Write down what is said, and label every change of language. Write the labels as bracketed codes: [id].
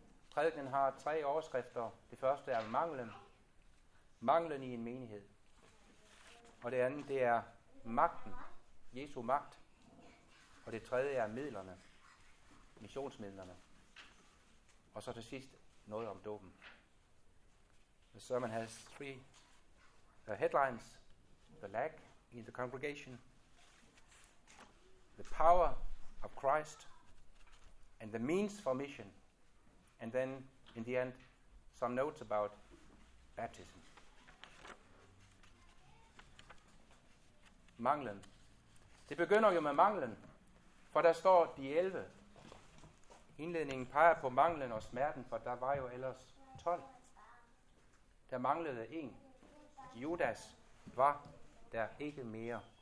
[da] Prædiken har tre overskrifter. Det første er manglen. Manglen i en menighed. Og det andet, det er magten. Jesu magt. Og det tredje er midlerne. Missionsmidlerne. Og så til sidst noget om dåben. [en] The sermon has three headlines. The lack in the congregation. The power of Christ. And the means for mission. And then, in the end, some notes about baptism. [da] Manglen. Det begynder jo med manglen, for der står de 11. Indledningen peger på manglen og smerten, for der var jo ellers 12. Der manglede en. Judas var der ikke mere.